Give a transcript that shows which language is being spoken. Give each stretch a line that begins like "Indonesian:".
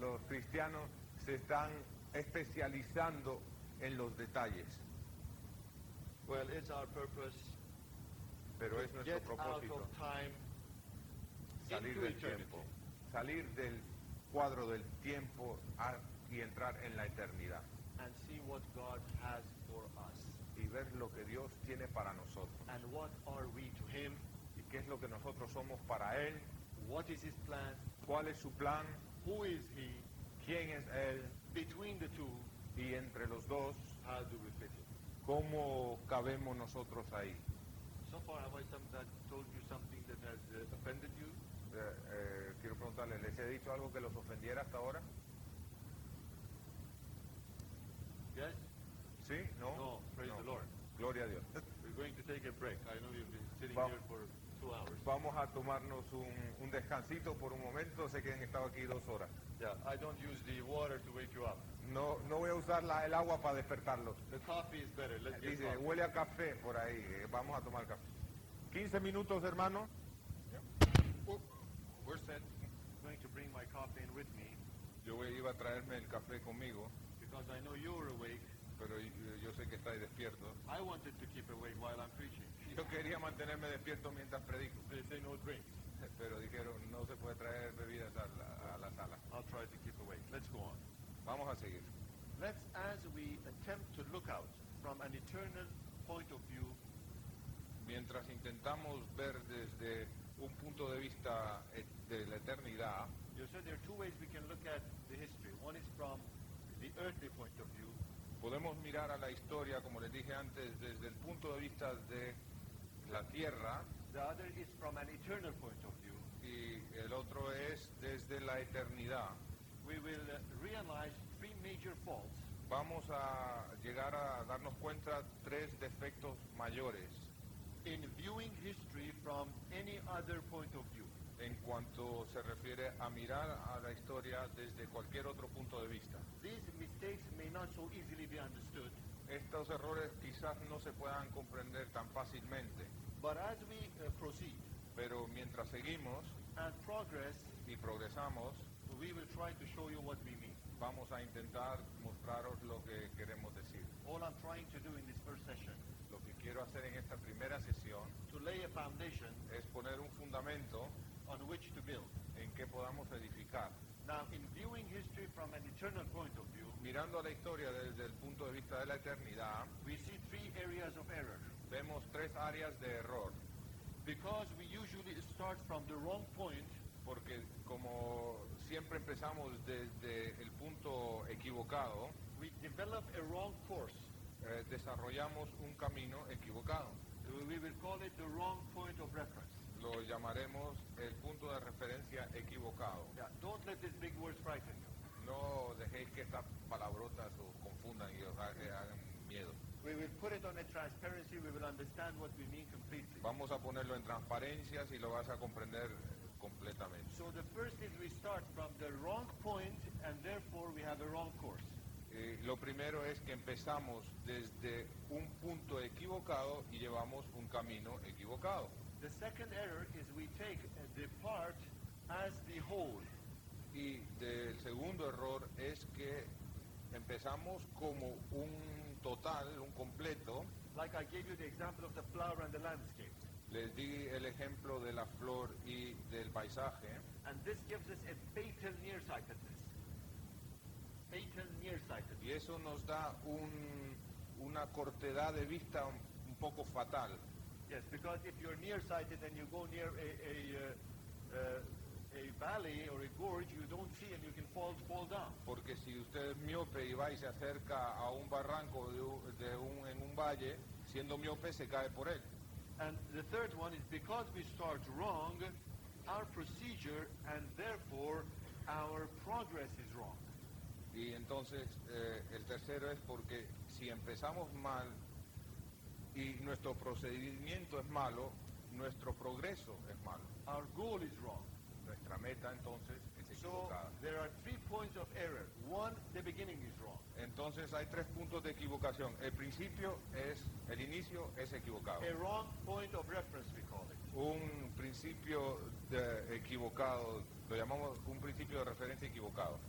Spanish: Los cristianos se están especializando en los detalles.
English: Well, it's our purpose.
Spanish: Pero es nuestro propósito.
English: Out of time,
Spanish: salir del tiempo, salir del cuadro del tiempo y entrar en la eternidad.
English: And see what God has for us.
Spanish: Y ver lo que Dios tiene para nosotros.
English: And what are we to Him?
Spanish: Y qué es lo que nosotros somos para Él.
English: What is His plan?
Spanish: ¿Cuál es su plan?
English: Who is He?
Spanish: ¿Quién es Él?
English: Between the two.
Spanish: Y entre los dos.
English: How do we fit it?
Spanish: ¿Cómo cabemos nosotros ahí?
English: So far, have I told you something that has offended you?
Spanish: Quiero preguntarle, ¿les he dicho algo que los ofendiera hasta ahora?
English: Yes?
Spanish: Sí, no.
English: No, praise no. The Lord.
Spanish: Gloria a Dios.
English: We're going to take a break. I know you've been sitting here for 2 hours.
Spanish: Vamos a tomarnos un descansito por un momento. Sé que han estado aquí 2 horas.
English: Yeah, I don't use the water to wake you up.
Spanish: No voy a usar el agua para despertarlos.
English: The coffee is better. Let's
Spanish: dice,
English: get coffee.
Spanish: Huele a café por ahí. Vamos a tomar café. 15 minutos, hermano.
English: Yeah. We're set. I'm going to bring my coffee in with me.
Spanish: Yo iba a traerme el café conmigo.
English: Because I know you're awake.
Spanish: Pero yo sé que estáis despiertos.
English: I wanted to keep awake while I'm preaching.
Spanish: Yo quería mantenerme despierto mientras predico.
English: They say no drinks.
Spanish: Pero dijeron, no se puede traer bebidas a la sala.
English: I'll try to keep awake. Let's go on.
Spanish: Vamos a seguir.
English: Let's, as we attempt to look out from an eternal point of view,
Spanish: mientras intentamos ver desde un punto de vista de la eternidad,
English: you said there are 2 ways we can look at the history. One is from the earthly point of view.
Spanish: Podemos mirar a la historia, como les dije antes, desde el punto de vista de la tierra.
English: The other is from an eternal point of view.
Spanish: Y el otro es desde la eternidad.
English: We will realize major faults.
Spanish: Vamos a llegar a darnos cuenta tres defectos mayores.
English: In viewing history from any other point of view.
Spanish: En cuanto se refiere a mirar a la historia desde cualquier otro punto de vista.
English: These mistakes may not so easily be understood.
Spanish: Estos errores quizás no se puedan comprender tan fácilmente.
English: But as we proceed,
Spanish: pero mientras seguimos
English: and progress,
Spanish: y progresamos,
English: we will try to show you what we mean.
Spanish: Vamos a intentar mostraros lo que queremos decir.
English: All I'm trying to do in this first session,
Spanish: lo que quiero hacer en esta primera sesión,
English: to lay a foundation,
Spanish: es poner un fundamento
English: on which to build,
Spanish: en que podamos edificar.
English: Now, in viewing history from an eternal point of view,
Spanish: mirando a la historia desde el punto de vista de la eternidad,
English: we see three areas of error.
Spanish: Vemos tres áreas de error.
English: Because we usually start from the wrong point,
Spanish: porque como siempre empezamos desde el punto equivocado,
English: we develop a wrong course.
Spanish: Desarrollamos un camino equivocado.
English: We will call it the wrong point of reference.
Spanish: Lo llamaremos el punto de referencia equivocado.
English: Yeah, don't let these big words frighten you.
Spanish: No dejéis que estas palabrotas os confundan y os hagan miedo.
English: We will put it on a transparency, we will understand what we mean completely.
Spanish: Vamos a ponerlo en transparencia y lo vas a comprender completamente.
English: So the first is we start from the wrong point and therefore we have a wrong course.
Spanish: Lo primero es que empezamos desde un punto equivocado y llevamos un camino equivocado.
English: The second error is we take the part as the whole.
Spanish: Y el segundo error es que empezamos como un total, un completo.
English: Like I gave you the example of the flower and the landscape.
Spanish: Les di el ejemplo de la flor y del paisaje.
English: And this gives us a fatal nearsightedness. Fatal nearsightedness.
Spanish: Y eso nos da una cortedad de vista un poco fatal.
English: Yes, because if you're nearsighted and you go near a valley or a gorge, you don't see and you can fall down.
Spanish: Porque si usted es miope y va y se acerca a un barranco en un valle, siendo miope se cae por él.
English: And the third one is because we start wrong, our procedure and therefore our progress is wrong.
Spanish: Y entonces el tercero es porque si empezamos mal y nuestro procedimiento es malo, nuestro progreso es malo.
English: Our goal is wrong.
Spanish: Nuestra meta entonces es equivocada.
English: So there are three points of error. One, the beginning is wrong.
Spanish: Entonces hay tres puntos de equivocación. El inicio es equivocado.
English: A wrong point of reference, we call it.
Spanish: Un principio equivocado, lo llamamos un principio de referencia equivocado.